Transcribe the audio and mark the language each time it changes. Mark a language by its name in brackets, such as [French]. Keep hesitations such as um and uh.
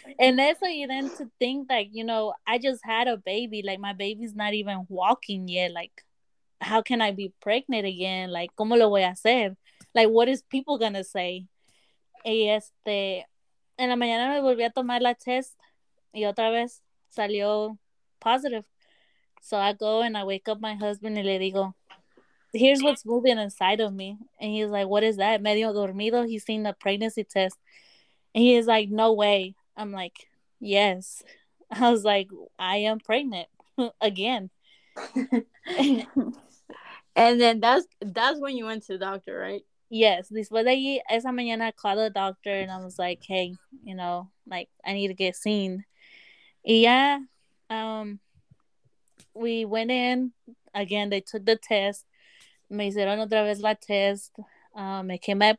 [English] and eso y then to think like, you know, I just had a baby, like my baby's not even walking yet, like how can I be pregnant again? Like [Spanish] cómo lo voy a hacer? [English] Like what is people going to say? [Spanish] Y hey, este en la mañana me volví a tomar la test y otra vez salió positive. [English] So I go and I wake up my husband and [Spanish] le digo, [English] here's what's moving inside of me. And he's like, What is that? [Spanish] Medio dormido. [English] He's seen the pregnancy test. And he is like, No way. I'm like, Yes. I was like, I am pregnant again. and then that's that's when you went to the doctor, right? Yes. This was [Spanish] a esa mañana [English] I called the doctor and I was like, Hey, you know, like I need to get seen. Yeah. Um we went in again, they took the test. [Spanish] me hicieron otra vez la test, me um, came positiva.